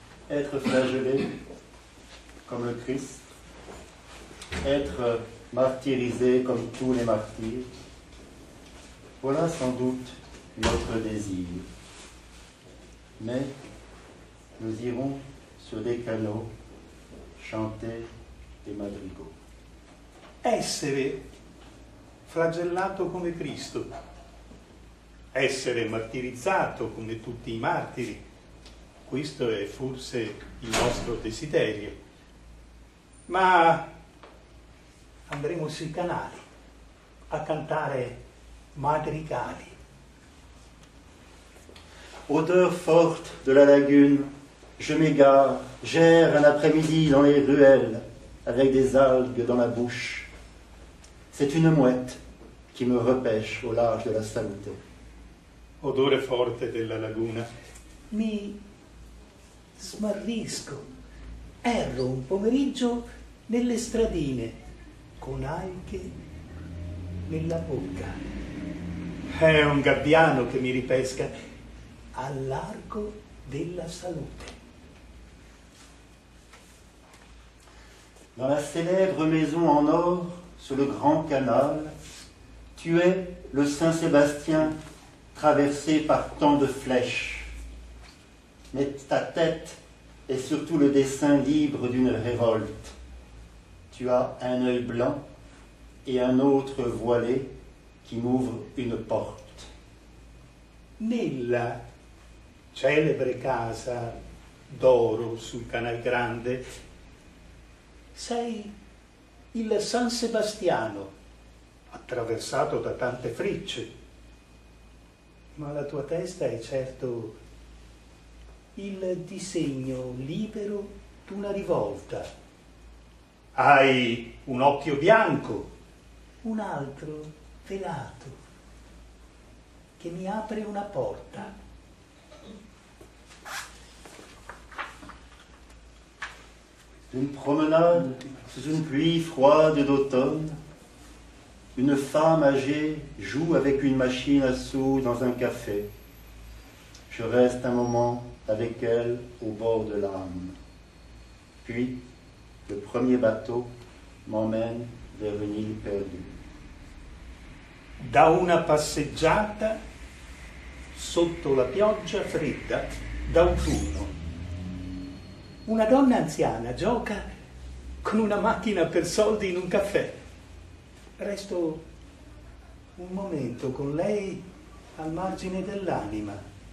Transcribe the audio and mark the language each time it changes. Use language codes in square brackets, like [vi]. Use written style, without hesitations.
[fr] être flagellé comme le Christ, être martyrisé comme tous les martyrs, voilà sans doute notre désir. Mais nous irons sur des canaux chanter des madrigaux. [it] Essere flagellato come Cristo, essere martirizzato come tutti i martiri, questo è forse il nostro desiderio. Ma andremo sui canali a cantare madrigali. [fr] Odeur forte de la lagune, je m'égare, j'erre un après-midi dans les ruelles avec des algues dans la bouche. C'est une mouette qui me repêche au large de la salute. [it] Odore forte della laguna. Mi smarrisco, erro un pomeriggio nelle stradine con alghe nella bocca. È un gabbiano che mi ripesca al largo della salute. [fr] Dans la célèbre maison en or sur le grand canal, tu es le Saint Sébastien traversé par tant de flèches. Mais ta tête est surtout le dessin libre d'une révolte. Tu as un œil blanc et un autre voilé qui m'ouvre une porte. [it] Nella celebre casa d'oro sul canal grande, sei il San Sebastiano, attraversato da tante frecce, ma la tua testa è certo il disegno libero d'una rivolta. Hai un occhio bianco, un altro velato, che mi apre una porta. [fr] Une promenade sous une pluie froide d'automne, une femme âgée joue avec une machine à sous dans un café. Je reste un moment avec elle au bord de l'âme. Puis, le premier bateau m'emmène vers une île perdue. [it] Da una passeggiata sotto la pioggia fredda d'autunno. Una donna anziana gioca con una macchina per soldi in un caffè. Resto un momento con lei al margine dell'anima.